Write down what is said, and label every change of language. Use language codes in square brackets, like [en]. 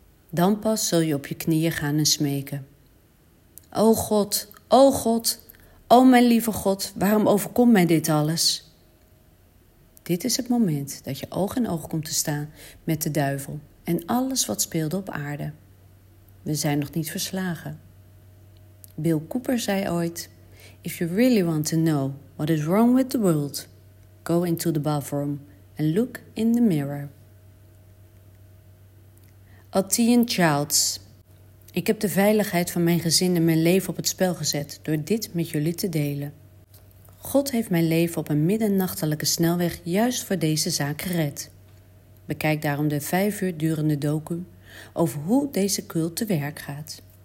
[nl] Dan pas zul je op je knieën gaan en smeken. O God, o God, o mijn lieve God, waarom overkomt mij dit alles? Dit is het moment dat je oog in oog komt te staan met de duivel en alles wat speelde op aarde. We zijn nog niet verslagen. Bill Cooper zei ooit: [en] If you really want to know what is wrong with the world, go into the bathroom and look in the mirror. [nl] Atien Childs. Ik heb de veiligheid van mijn gezin en mijn leven op het spel gezet door dit met jullie te delen. God heeft mijn leven op een middernachtelijke snelweg juist voor deze zaak gered. Bekijk daarom de 5 uur durende docu over hoe deze cult te werk gaat.